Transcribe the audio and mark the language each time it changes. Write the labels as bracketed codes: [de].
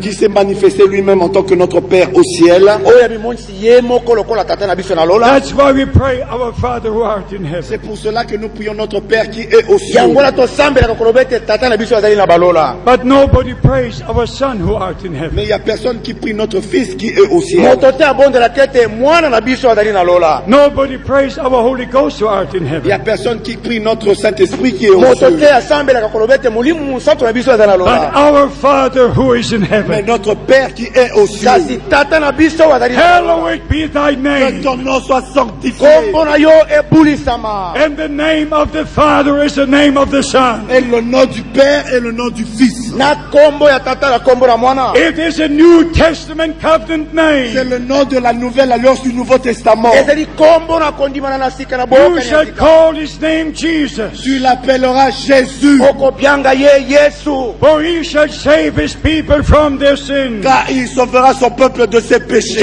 [fr] Qui s'est manifesté lui-même en tant que notre Père au ciel. [en] That's why we pray our Father who art in heaven. [fr] C'est pour cela que nous prions notre Père qui est au ciel. [en] But nobody prays our Son who art in heaven. [fr] Mais il n'y a personne qui prie notre Fils qui est au ciel. [en] Nobody prays our Holy Ghost who art in heaven. [fr] Il n'y a personne qui prie notre Saint-Esprit qui est au ciel. [en] But our Father who is in heaven. [fr] Mais notre Père qui est au ciel. [en] Hallowed be thy name. [fr] Que ton nom soit sanctifié. [en] And the name of the Father is the name of the Son. [fr] Et le nom du Père est le nom du Fils. [en] It is a New Testament covenant name. [fr] C'est le nom de la nouvelle alliance du Nouveau Testament. [en] You shall call his name Jesus. [fr] Tu l'appelleras Jésus. [en] For he shall save his people from their sins. [fr] Car il sauvera son peuple de ses péchés.